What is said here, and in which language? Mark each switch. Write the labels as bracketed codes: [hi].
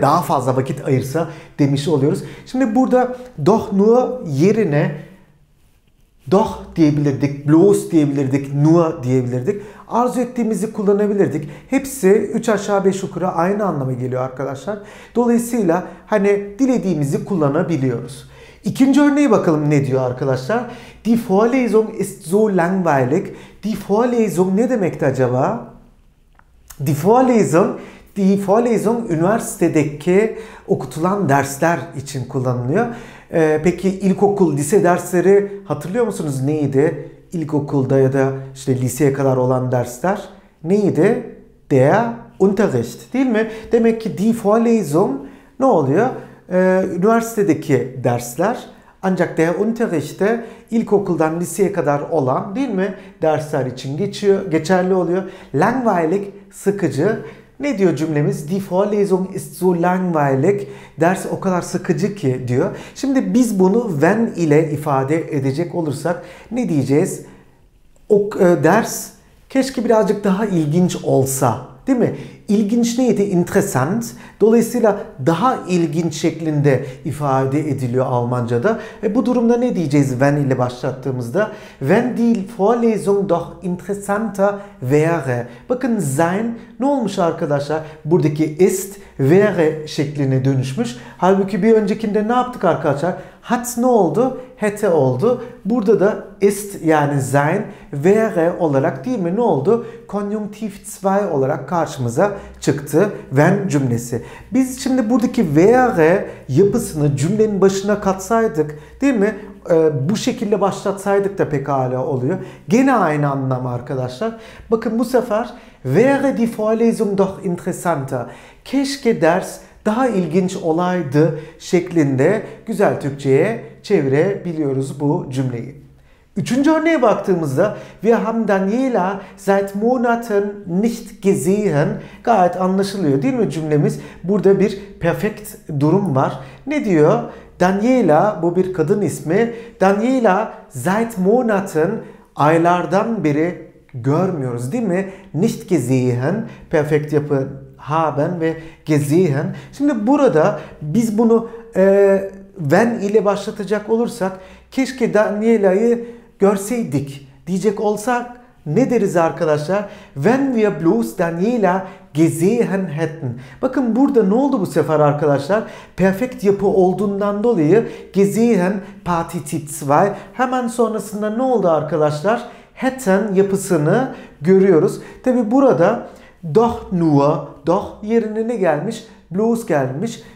[tr] Daha fazla vakit ayırsa demiş oluyoruz. Şimdi burada doch nur yerine doch diyebilirdik, bloß diyebilirdik, nur diyebilirdik. Arzu ettiğimizi kullanabilirdik. Hepsi 3 aşağı 5 yukarı aynı anlama geliyor arkadaşlar. Dolayısıyla hani dilediğimizi kullanabiliyoruz. İkinci örneğe bakalım ne diyor arkadaşlar. [de] Die Vorlesung ist so langweilig. [tr] Die Vorlesung ne demekti acaba? Die Vorlesung üniversitedeki okutulan dersler için kullanılıyor. Peki ilkokul, lise dersleri hatırlıyor musunuz neydi? İlkokulda ya da işte liseye kadar olan dersler neydi? Der Unterricht, değil mi? Demek ki die Vorlesung ne oluyor? Üniversitedeki dersler. Ancak der Unterricht de ilkokuldan liseye kadar olan, değil mi, dersler için geçerli oluyor. Langweilig, sıkıcı. Ne diyor cümlemiz? [de] Die Vorlesung ist so langweilig. [tr] Ders o kadar sıkıcı ki diyor. Şimdi biz bunu wenn ile ifade edecek olursak ne diyeceğiz? Ders keşke birazcık daha ilginç olsa, değil mi? İlginç neydi? Interessant. Dolayısıyla daha ilginç şeklinde ifade ediliyor Almanca'da. Ve bu durumda ne diyeceğiz wenn ile başlattığımızda? [de] Wenn die Vorlesung doch interessanter wäre. [tr] Bakın sein ne olmuş arkadaşlar? Buradaki ist wäre şekline dönüşmüş. Halbuki bir öncekinde ne yaptık arkadaşlar? Hat ne oldu? Hätte oldu. Burada da ist yani sein, wäre olarak değil mi? Ne oldu? Konjunktiv 2 olarak karşımıza çıktı. Wenn cümlesi. Biz şimdi buradaki wäre yapısını cümlenin başına katsaydık değil mi? Bu şekilde başlatsaydık da pekala oluyor. Gene aynı anlam arkadaşlar. [de] Bakın bu sefer wäre die Vorlesung doch interessanter. [tr] Keşke ders daha ilginç olaydı şeklinde güzel Türkçe'ye çevirebiliyoruz bu cümleyi. [de] Üçüncü örneğe baktığımızda wir haben Daniela seit Monaten nicht gesehen. [tr] Gayet anlaşılıyor değil mi cümlemiz? Burada bir perfekt durum var. Ne diyor? Daniela, bu bir kadın ismi. Daniela seit Monaten, aylardan beri görmüyoruz değil mi? Nicht gesehen, perfekt yapı. Haben ve gesehen. Şimdi burada biz bunu wenn ile başlatacak olursak keşke Daniela'yı görseydik diyecek olsak ne deriz arkadaşlar? [de] Wenn wir bloß Daniela gesehen hätten. [tr] Bakın burada ne oldu bu sefer arkadaşlar? Perfekt yapı olduğundan dolayı gesehen Partizip 2 hemen sonrasında ne oldu arkadaşlar? Hätten yapısını görüyoruz. Tabi burada doch nur, doch yerine ne gelmiş? Bloß gelmiş.